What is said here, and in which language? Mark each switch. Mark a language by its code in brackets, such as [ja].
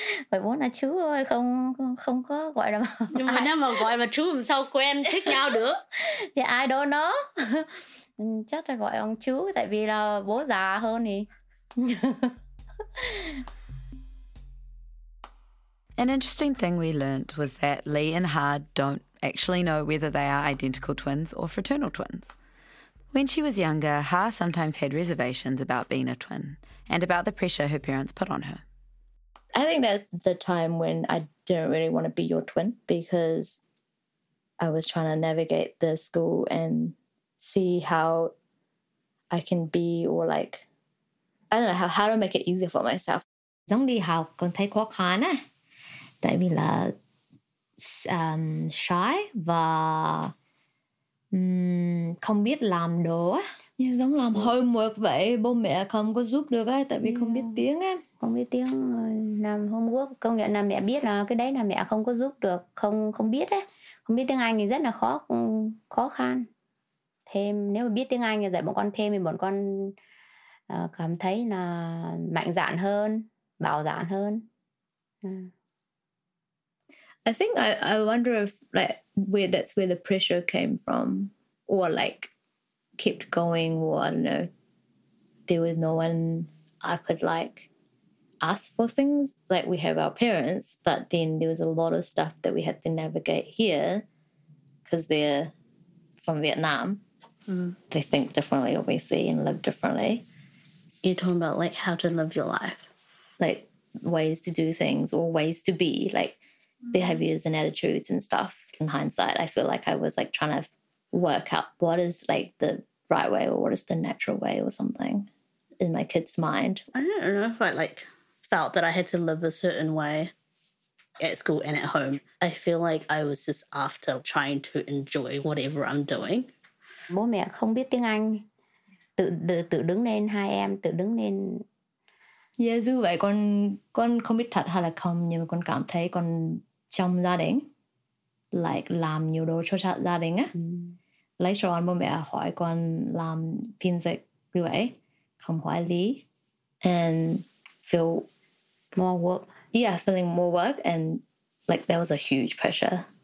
[vi] Gọi bố là chú thôi, không có gọi là... Nhưng mà nếu mà gọi mà chú làm sao quen, thích nhau được? [en] Thì I don't know. [vi] Chắc là gọi ông chú tại vì là bố già hơn thì... [en] An interesting thing we learnt was that Lee and Ha don't actually know whether they are identical twins or fraternal twins. When she was younger, Ha sometimes had reservations about being a twin and about the pressure her parents put on her. I think that's the time when I didn't really want to be your twin, because I was trying to navigate the school and see how I can be, or like, I don't know how to make it easier for myself. [vi] Giống đi học con thấy khó khăn á. Tại vì là shy và không biết làm đồ á. Như giống làm homework vậy, bố mẹ không có giúp được á, tại vì không biết tiếng á. Không biết tiếng, làm homework, công nhận là mẹ biết là cái đấy là mẹ không có giúp được, không biết á. Không biết tiếng Anh thì rất là khó khăn. Thêm, nếu mà biết tiếng Anh thì dạy bọn con thêm thì bọn con cảm thấy là mạnh dạn hơn, bảo dạn hơn. [en] I think I wonder if like where that's where the pressure came from or like kept going, or I don't know, there was no one I could like ask for things. Like we have our parents, but then there was a lot of stuff that we had to navigate here because they're from Vietnam. Mm. They think differently, obviously, and live differently. You're talking about like how to live your life. Like ways to do things or ways to be, like behaviors and attitudes and stuff. In hindsight, I feel like I was like trying to work out what is like the right way or what is the natural way or something in my kid's mind. I don't know if I like felt that I had to live a certain way at school and at home. I feel like I was just after trying to enjoy whatever I'm doing. [vi] Bố mẹ không biết tiếng Anh, tự đứng lên, hai em tự đứng lên. Yeah, dù vậy con không biết thật hay là không, nhưng mà con cảm thấy con trong gia đình, like làm nhiều đồ cho gia đình á. Lấy cho bố mẹ hỏi con làm phiên dịch như vậy, không hỏi lý. [en] And feel more work. Yeah, feeling more work, and like there was a huge pressure.